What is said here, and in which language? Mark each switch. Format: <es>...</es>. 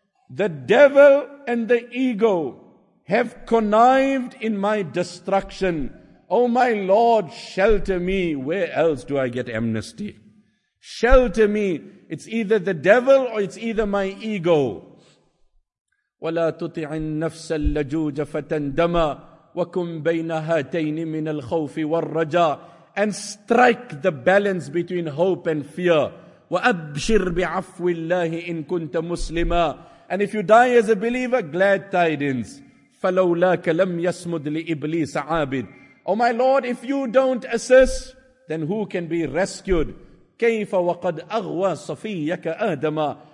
<en>The devil and the ego have connived in my destruction. Oh my Lord, shelter me. Where else do I get amnesty? Shelter me. It's either the devil or it's either my ego.</en> <ar>وَلَا تُطِعِ النَّفْسَ اللَّجُوجَ فَتَنْدَمَا وَكُمْ بَيْنَ هَاتَيْنِ مِنَ الْخَوْفِ وَالرَّجَى,</ar> <en>and strike the balance between hope and fear.</en> <ar>وَأَبْشِرْ بِعَفْوِ اللَّهِ إِن كُنْتَ مُسْلِمًا,</ar> <en>and if you die as a believer, glad tidings.</en> <ar>فَلَوْلَاكَ لَمْ يَسْمُدْ لِإِبْلِيسَ عَابِدٍ.</ar> <en>O my Lord, if you don't assist, then who can be rescued?</en> <ar>كَيْفَ وَقَدْ أَغْوَى صَفِيَّكَ آدَمًا.</ar>